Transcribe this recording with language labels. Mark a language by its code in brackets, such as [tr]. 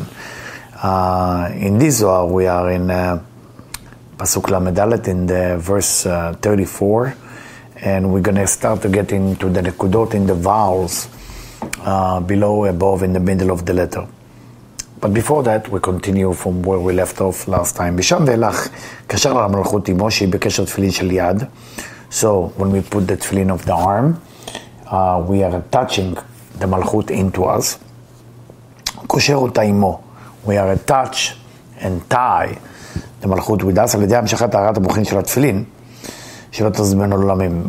[en] In this Zohar we are in Pasuk Lamed Aleph in the verse 34, and we're going to start to get into the Nekudot in the vowels below, above, in the middle of the letter. But before that, we continue from where we left off last time. [he] משם ואילך, קשר למלכות אמו שהיא בקשר תפילין של יד. [en] So, when we put the tefillin of the arm, we are attaching the malchut into us. [he] קושר אותה אמו. [en] We are attach and tie the malchut with us [he] על ידי המשכת הארת המוחין של התפילין, שלא תזמנו לעולמים.